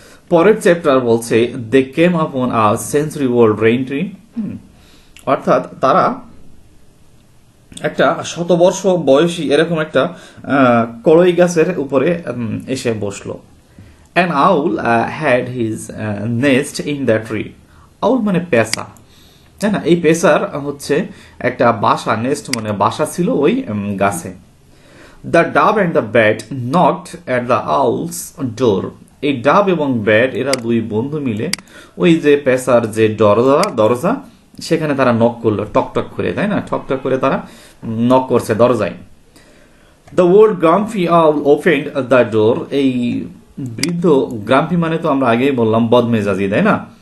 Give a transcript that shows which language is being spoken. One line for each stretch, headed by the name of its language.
Bangla: পরের চ্যাপ্টার বলছে
English: they came upon a sensory world brain tree,
Bangla: অর্থাৎ তারা একটা শতবর্ষ বয়সী এরকম একটা কড়ই গাছের উপরে এসে বসলো।
English: An owl had his nest in the tree.
Bangla: Owl মানে পেঁচা, তাই না? এই পেঁচার হচ্ছে একটা বাসা, নেস্ট মানে বাসা ছিল ওই গাছে।
English: The dove and the bat knocked at the owl's door.
Bangla: এই ডাব এবং ব্যাট এরা দুই বন্ধু মিলে ওই যে পেঁচার যে দরজা, সেখানে তারা নক করলো, টকটক করে, তাই না? টকটক করে তারা নক করছে দরজায়।
English: the old grumpy opened the door,
Bangla: এই বৃদ্ধ গ্রাম্পি মানে তো আমরা আগেই বললাম বদমেজাজি, তাই না?